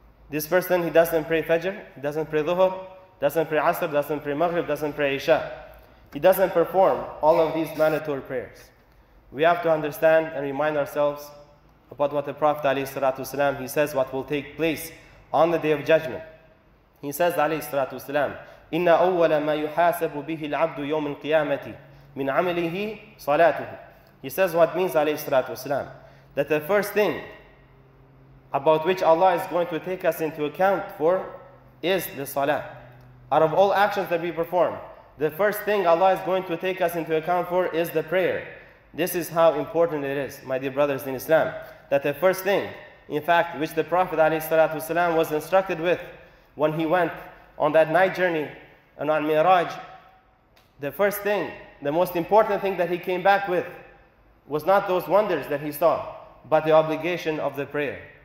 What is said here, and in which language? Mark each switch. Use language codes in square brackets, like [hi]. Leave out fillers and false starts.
[en] This person, he doesn't pray Fajr, he doesn't pray Dhuhr, doesn't pray Asr, doesn't pray Maghrib, doesn't pray Isha. He doesn't perform all of these mandatory prayers. We have to understand and remind ourselves about what the Prophet alayhi salatu wasalam, he says what will take place on the Day of Judgment. He says alayhi salatu wasalam, [ar] إن أول ما يحاسب به العبد يوم القيامة من عمله صلاته. [en] He says what means [ar] عليه الصلاة والسلام, [en] that the first thing about which Allah is going to take us into account for is the salah. Out of all actions that we perform, the first thing Allah is going to take us into account for is the prayer. This is how important it is, my dear brothers in Islam, that the first thing, in fact, which the Prophet ﷺ was instructed with when he went on that night journey and on Miraj, the first thing, the most important thing that he came back with was not those wonders that he saw, but the obligation of the prayer.